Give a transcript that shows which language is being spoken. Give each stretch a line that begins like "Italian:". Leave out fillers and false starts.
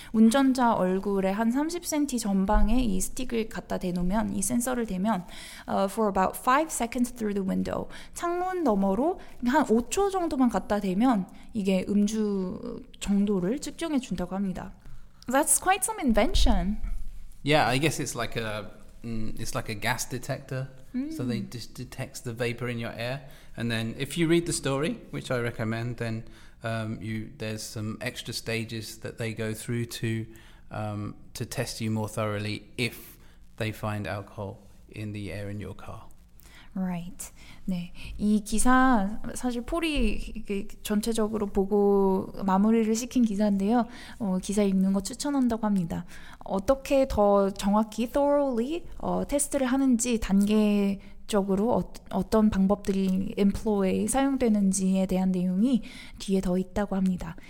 Korean: 운전자 얼굴에 한 30cm 전방에 이 스틱을 갖다 대놓으면, 이 센서를 대면
English: for about 5 seconds through the window.
Korean: 창문 너머로 한 5초 정도만 갖다 대면 이게 음주 정도를 측정해 준다고 합니다.
English: That's quite some invention. Yeah, I guess it's like a gas detector. So they just detect the vapor in your air. And then if you read the story, which I recommend, then there's some extra stages that they go through to test you more thoroughly if they find alcohol in the air in your car. Right.
Korean: 네, 이 기사 사실 폴이 전체적으로 보고 마무리를 시킨 기사인데요. 기사 읽는 거 추천한다고 합니다. 어떻게 더 정확히 thoroughly 테스트를 하는지 단계 적으로 어떤 방법들이 employ에 사용되는지에 대한 내용이 뒤에 더 있다고 합니다.